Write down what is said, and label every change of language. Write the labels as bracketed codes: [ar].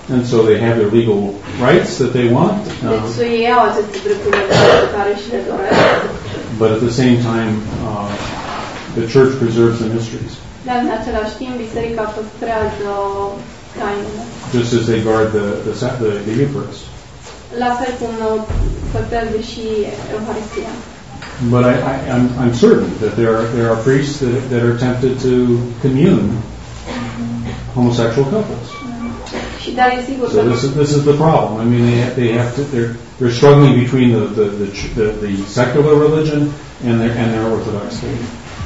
[en] And so they have their legal rights that they want. [ro] Deci ei au aceste drepturi pe care și le doresc. [en] But at the same time, the church preserves the mysteries. [ro] Dar în același timp, biserica păstrează tainele. [en] Just as they guard the Eucharist. [ro] La fel cum păstrează și Euharistia. [en] But I'm certain that there are priests that are tempted to commune homosexual couples. So this is the problem. I mean they're struggling between the secular religion and their Orthodox faith.